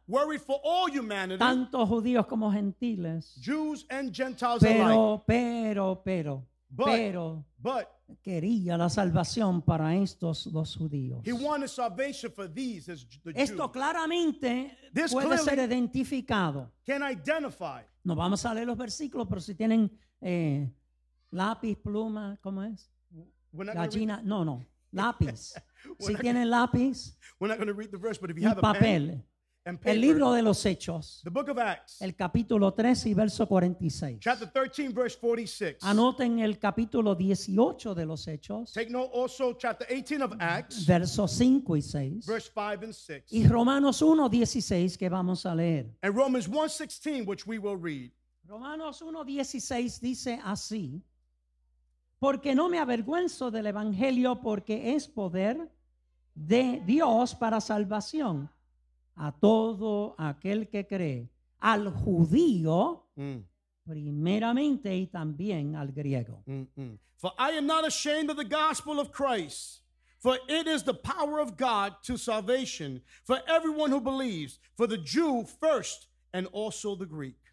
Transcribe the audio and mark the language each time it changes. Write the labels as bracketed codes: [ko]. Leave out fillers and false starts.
[en] Worried for all humanity. [es] Tanto judíos como gentiles. [en] Jews and Gentiles [es] pero, [en] alike. [es] Pero. [en] But. [es] Quería la salvación para estos dos judíos. [en] He wanted salvation for these as the Jews. [es] Esto claramente [en] this [es] puede ser identificado. [en] Can identify. [es] No vamos a leer los versículos, pero si tienen lápiz, pluma, ¿cómo es? Gallina, no. Lápiz. Si tienen lápiz. [en] We're not going to read the verse, but if you [es] y [en] have [es] papel, [en] a pen and paper. [es] El libro de los Hechos. [en] The book of Acts. [es] El capítulo 13 y verso 46. [en] Chapter 13, verse 46. [es] Anoten el capítulo 18 de los Hechos. [en] Take note also chapter 18 of Acts. [es] Verso 5 y 6. [en] Verse 5 and 6. [es] Y Romanos 1, 16 que vamos a leer. [en] And Romans 1, 16 which we will read. [es] Romanos 1, 16 dice así. Porque no me avergüenzo del evangelio porque es poder de Dios para salvación. A todo aquel que cree, al judío, primeramente y también al griego. [en] For I am not ashamed of the gospel of Christ, for it is the power of God to salvation for everyone who believes, for the Jew first and also the Greek.